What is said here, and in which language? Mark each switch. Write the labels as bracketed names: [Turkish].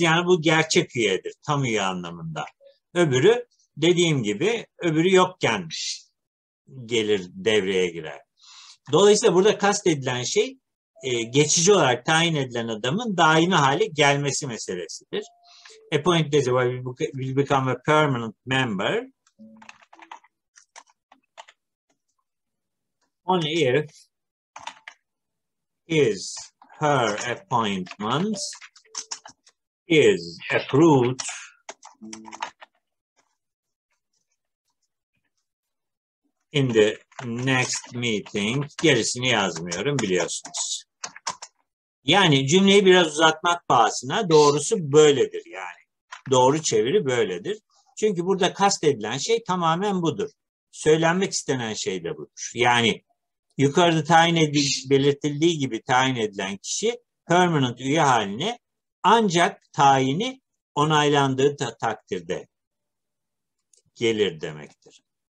[Turkish] Yani bu gerçek üyedir, tam üye anlamında. Öbürü dediğim gibi öbürü yokken gelir devreye girer. Dolayısıyla burada kastedilen şey geçici olarak tayin edilen adamın daimi hale gelmesi meselesidir. [English] Appointed as a will become a permanent member only if his her appointment is approved in the next meeting. [Turkish] Gerisini yazmıyorum biliyorsunuz. Yani cümleyi biraz uzatmak pahasına doğrusu böyledir yani. Doğru çeviri böyledir. Çünkü burada kastedilen şey tamamen budur. Söylenmek istenen şey de budur. Yani yukarıda tayin belirtildiği gibi tayin edilen kişi permanent üye haline ancak tayini onaylandığı takdirde gelir demektir.